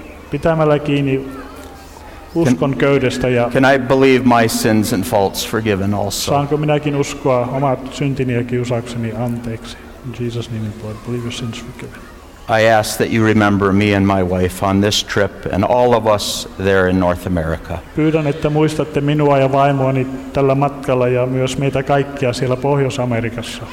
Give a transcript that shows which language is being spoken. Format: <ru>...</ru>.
<fi>Pitämällä kiinni, uskon köydestä ja.</fi> <en>Can I believe my sins and faults forgiven also?</en> <fi>Saanko minäkin uskoa omat syntini ja kiusaukseni anteeksi?</fi> <en>In Jesus name and blood, believe your sins forgiven. I ask that you remember me and my wife on this trip and all of us there in North America.</en> <fi>Pyydän, että muistatte minua ja vaimoani tällä matkalla ja myös meitä kaikkia siellä Pohjois-Amerikassa.</fi>